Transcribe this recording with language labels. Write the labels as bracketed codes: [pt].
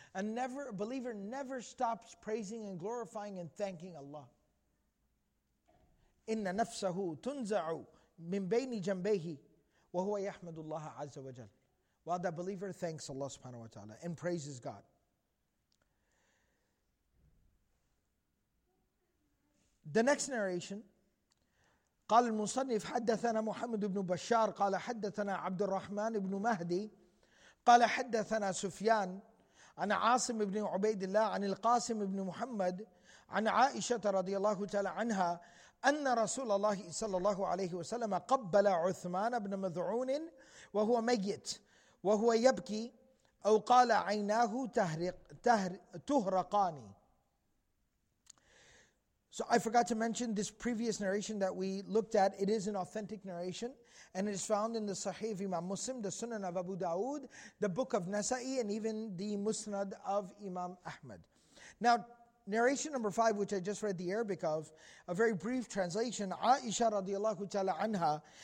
[en] A believer never stops praising and glorifying and thanking Allah. [ar] إِنَّ نَفْسَهُ تُنْزَعُ مِنْ بَيْنِ جَنْبَيْهِ وَهُوَ يَحْمَدُ اللَّهَ عَزَّ وَجَلَّ. [en] While that believer thanks Allah subhanahu wa ta'ala and praises God. The next narration, [ar] قال المصنف حدثنا محمد بن بشار قال حدثنا عبد الرحمن بن مهدي قال حدثنا سفيان عن عاصم بن عبيد الله عن القاسم بن محمد عن عائشة رضي الله تعالى عنها أن رسول الله صلى الله عليه وسلم قبل عثمان بن مذعون وهو ميت وهو يبكي أو قال عيناه تهرقاني. [en] So I forgot to mention this previous narration that we looked at. It is an authentic narration. And it is found in the Sahih of Imam Muslim, the Sunan of Abu Dawood, the Book of Nasa'i, and even the Musnad of Imam Ahmad. Now, narration number 5, which I just read the Arabic of, a very brief translation, Aisha radiallahu ta'ala anha.